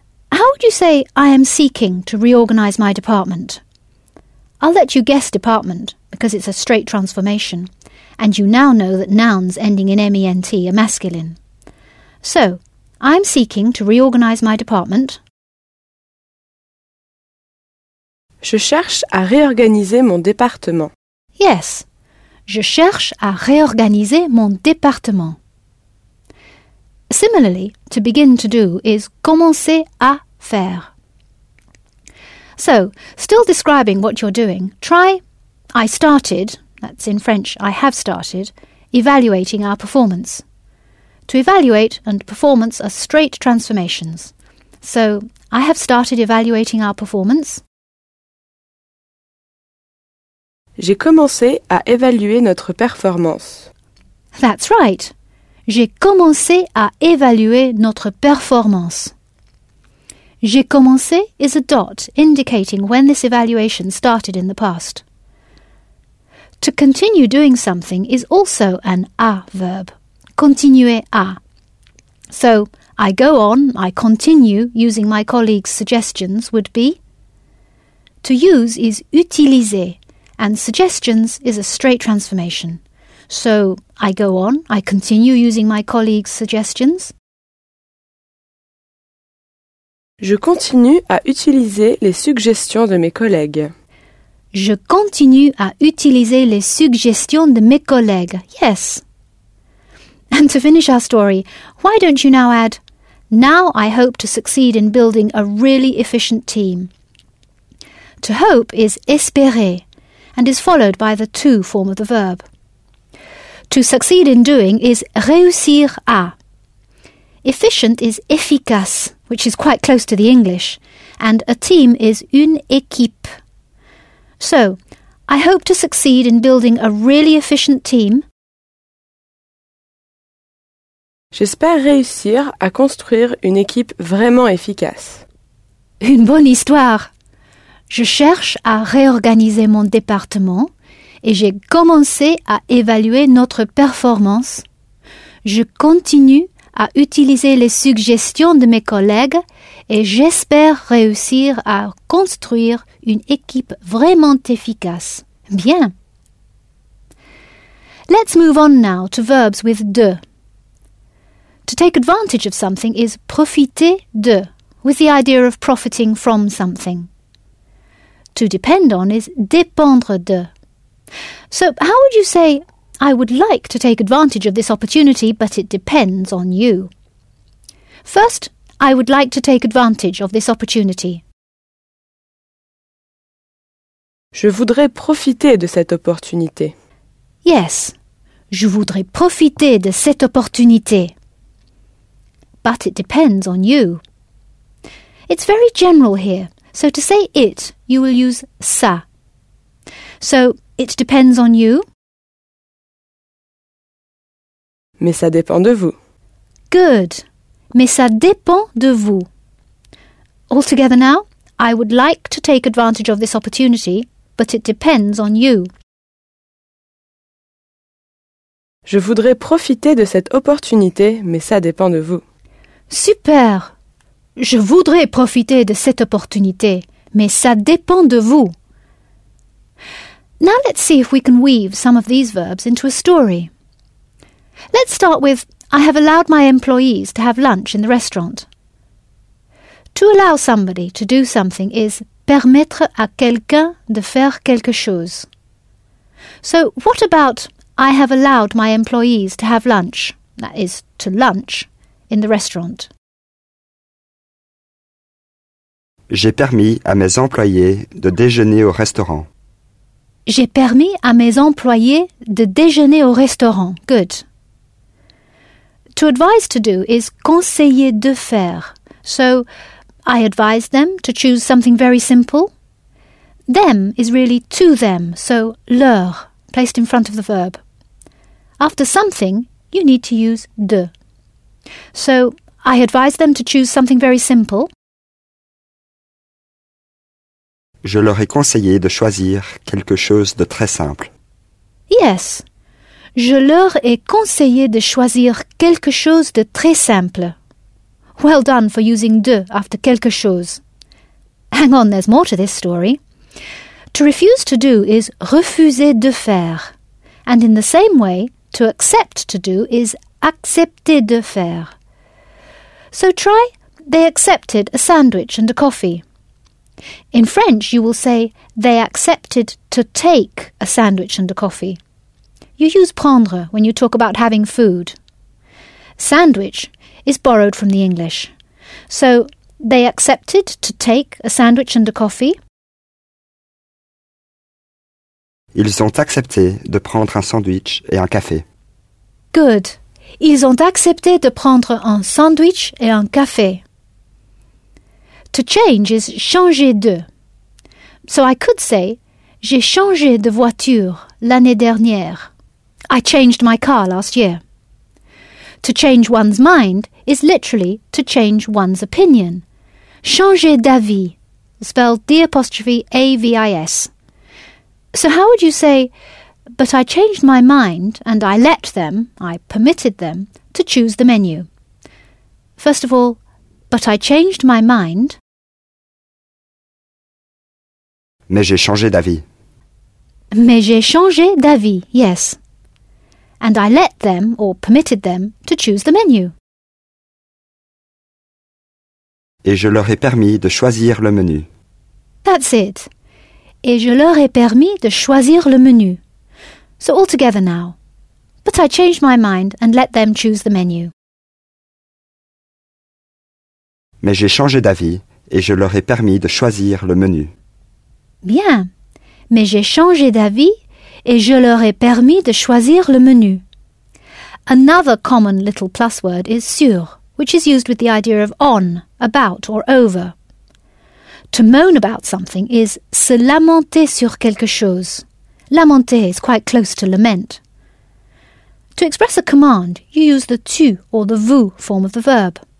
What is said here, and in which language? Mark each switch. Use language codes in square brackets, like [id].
[en] How would you say I am seeking to reorganise my department? I'll let you guess department, because it's a straight transformation, and you now know that nouns ending in M-E-N-T are masculine. So, I'm seeking to reorganise my department. [fr] Je cherche à réorganiser mon département. Yes, je cherche à réorganiser mon département. [en] Similarly, to begin to do is commencer à faire. So, still describing what you're doing, try I started, that's in French, I have started, evaluating our performance. To evaluate and performance are straight transformations. So, I have started evaluating our performance. [fr] J'ai commencé à évaluer notre performance. [en] That's right. [fr] J'ai commencé à évaluer notre performance. [en] J'ai commencé is a dot indicating when this evaluation started in the past. To continue doing something is also an à verb. Continuer à. So, I go on, I continue using my colleague's suggestions would be. To use is utiliser. And suggestions is a straight transformation. So, I go on, I continue using my colleague's suggestions. [fr] Je continue à utiliser les suggestions de mes collègues. Je continue à utiliser les suggestions de mes collègues. [en] Yes. And to finish our story, why don't you now add, now I hope to succeed in building a really efficient team. To hope is espérer. And is followed by the to form of the verb. To succeed in doing is réussir à. Efficient is efficace, which is quite close to the English, and a team is une équipe. So, I hope to succeed in building a really efficient team. [fr] J'espère réussir à construire une équipe vraiment efficace. Une bonne histoire! Je cherche à réorganiser mon département et j'ai commencé à évaluer notre performance. Je continue à utiliser les suggestions de mes collègues et j'espère réussir à construire une équipe vraiment efficace. Bien. [en] Let's move on now to verbs with de. To take advantage of something is profiter de, with the idea of profiting from something. To depend on is dépendre de. So, how would you say, I would like to take advantage of this opportunity, but it depends on you? First, I would like to take advantage of this opportunity. [fr] Je voudrais profiter de cette opportunité. Yes, je voudrais profiter de cette opportunité. [en] But it depends on you. It's very general here. So to say it, you will use ça. So, it depends on you. [fr] Mais ça dépend de vous. good, mais ça dépend de vous. [en] All together now, I would like to take advantage of this opportunity, but it depends on you. [fr] Je voudrais profiter de cette opportunité, mais ça dépend de vous. Super! Je voudrais profiter de cette opportunité, mais ça dépend de vous. [en] Now let's see if we can weave some of these verbs into a story. Let's start with, I have allowed my employees to have lunch in the restaurant. To allow somebody to do something is permettre à quelqu'un de faire quelque chose. So what about I have allowed my employees to have lunch, that is, to lunch, in the restaurant? [fr] J'ai permis à mes employés de déjeuner au restaurant. J'ai permis à mes employés de déjeuner au restaurant. [en] Good. To advise to do is conseiller de faire. So, I advise them to choose something very simple. Them is really to them, so leur, placed in front of the verb. After something, you need to use de. So, I advise them to choose something very simple. [fr] Je leur ai conseillé de choisir quelque chose de très simple. [en] Yes. [fr] Je leur ai conseillé de choisir quelque chose de très simple. [en] Well done for using de after quelque chose. Hang on, there's more to this story. To refuse to do is refuser de faire. And in the same way, to accept to do is accepter de faire. So try, they accepted a sandwich and a coffee. In French, you will say, they accepted to take a sandwich and a coffee. You use prendre when you talk about having food. Sandwich is borrowed from the English. So, they accepted to take a sandwich and a coffee. [fr] Ils ont accepté de prendre un sandwich et un café. [en] Good. [fr] Ils ont accepté de prendre un sandwich et un café. [en] To change is [fr] changer de. [en] So I could say, [fr] j'ai changé de voiture l'année dernière. [en] I changed my car last year. To change one's mind is literally to change one's opinion. Changer d'avis, spelled D'AVIS. So how would you say, but I changed my mind and I let them, I permitted them, to choose the menu? First of all, but I changed my mind. [fr] Mais j'ai changé d'avis. Mais j'ai changé d'avis, yes. [en] And I let them, or permitted them, to choose the menu. [fr] Et je leur ai permis de choisir le menu. [en] That's it. [fr] Et je leur ai permis de choisir le menu. [en] So all together now. But I changed my mind and let them choose the menu. [fr] Mais j'ai changé d'avis et je leur ai permis de choisir le menu. Bien. Mais j'ai changé d'avis et je leur ai permis de choisir le menu. [en] Another common little plus word is sur, which is used with the idea of on, about or over. To moan about something is se lamenter sur quelque chose. Lamenter is quite close to lament. To express a command, you use the tu or the vous form of the verb.